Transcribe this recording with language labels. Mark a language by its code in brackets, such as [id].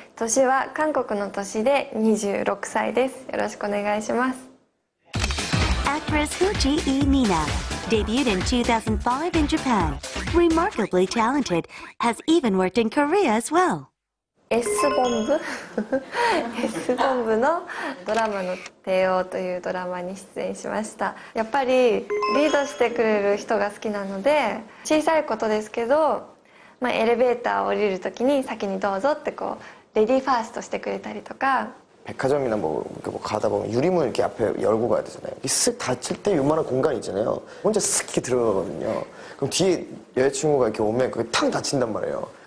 [ja] 年は韓国の年で 26歳です。よろしくお願いします。 [en] Actress Fujii Mina debuted in 2005 in Japan. Remarkably talented, has even worked in Korea as well. S-BOMB? [ja] S-BOMBのドラマの帝王というドラマに出演しました。やっぱりリードしてくれる人が好きなので、小さいことですけど、 エレベーター降りるときに先にどうぞってこうレディファーストしてくれたりとか [ko] 백화점이나 뭐 가다 보면 유리문 이렇게 앞에 열고 가야 되잖아요. 슥 닫힐 때 요만한 공간 있잖아요. 혼자 슥 이렇게 들어가거든요. 그럼 뒤에 여자친구가 이렇게 오면 그게 탕 닫힌단 말이에요.